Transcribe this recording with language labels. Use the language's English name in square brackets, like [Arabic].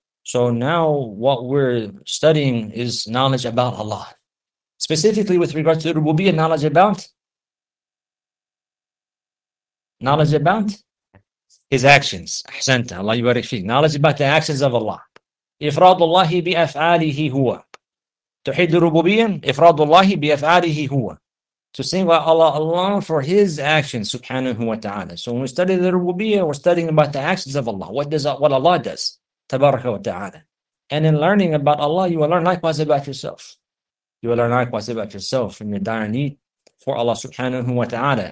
[English] So now what we're studying is knowledge about Allah. Specifically with regards to Rububiyyah, knowledge about His actions. [Arabic] Ahsanta, Allah yubarak fi. [English] Knowledge about the actions of Allah. [Arabic] إفراد الله بأفعاله هو تحيد الربوبية إفراد الله بأفعاله هو [English] to sing about Allah alone for His actions [Arabic] سبحانه وتعالى. [English] So when we study the Rububiyyah, we're studying about the actions of Allah. What Allah does [Arabic] تبارك وتعالى. [English] And in learning about Allah, you will learn likewise about yourself. You will learn likewise about yourself from your dire need for Allah [Arabic] سبحانه وتعالى.